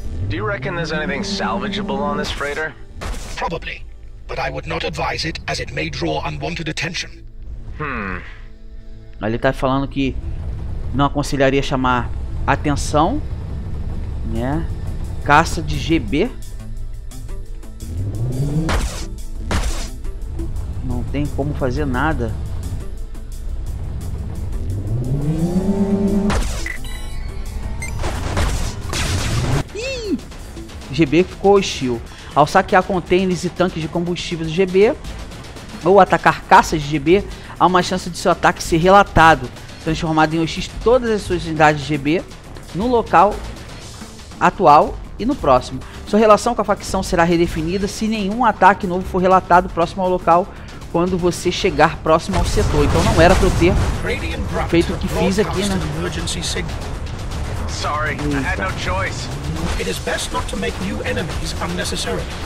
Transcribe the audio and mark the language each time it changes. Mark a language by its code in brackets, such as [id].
[en] Do you reckon there's anything salvageable on this freighter? Probably, but I would not advise it as it may draw unwanted attention. [pt] Ele tá falando que não aconselharia chamar atenção, né? Caça de GB. Tem como fazer nada. GB ficou hostil. ao saquear containers e tanques de combustível do GB ou atacar caças de GB, há uma chance de seu ataque ser relatado, transformado em OX todas as suas unidades de GB no local atual e no próximo. Sua relação com a facção será redefinida se nenhum ataque novo for relatado próximo ao local quando você chegar próximo ao setor. Então não era para eu ter feito o que fiz aqui, né? [en] Sorry, I had no choice. It is best not to make new enemies unnecessary.